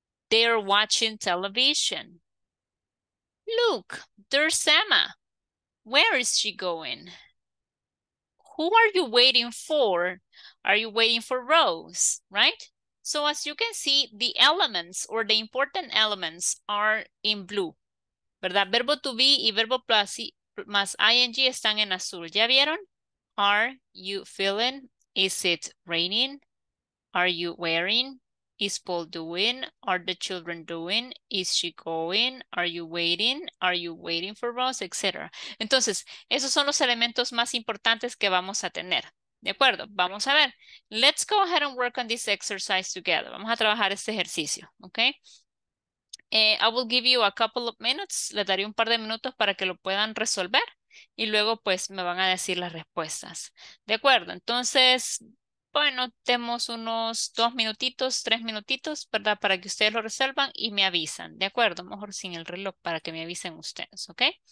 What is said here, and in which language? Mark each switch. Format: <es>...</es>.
<en>They're watching television. Look, there's Emma. Where is she going? Who are you waiting for? Are you waiting for Rose, right? So as you can see, the elements or the important elements are in blue.</en> <es>¿Verdad? Verbo to be y verbo plus más ing están en azul. ¿Ya vieron?</es> <en>Are you feeling? Is it raining? Are you wearing? Is Paul doing? Are the children doing? Is she going? Are you waiting? Are you waiting for us? Etc.</en> <es>Entonces, esos son los elementos más importantes que vamos a tener. ¿De acuerdo? Vamos a ver.</es> <en>Let's go ahead and work on this exercise together.</en> <es>Vamos a trabajar este ejercicio.</es> <en>Okay? I will give you a couple of minutes.</en> <es>Les daré un par de minutos para que lo puedan resolver. Y luego, pues, me van a decir las respuestas. ¿De acuerdo? Entonces, bueno, tenemos unos 2 minutitos, 3 minutitos, ¿verdad? Para que ustedes lo resuelvan y me avisan, ¿de acuerdo? Mejor sin el reloj para que me avisen ustedes, ¿ok?</es>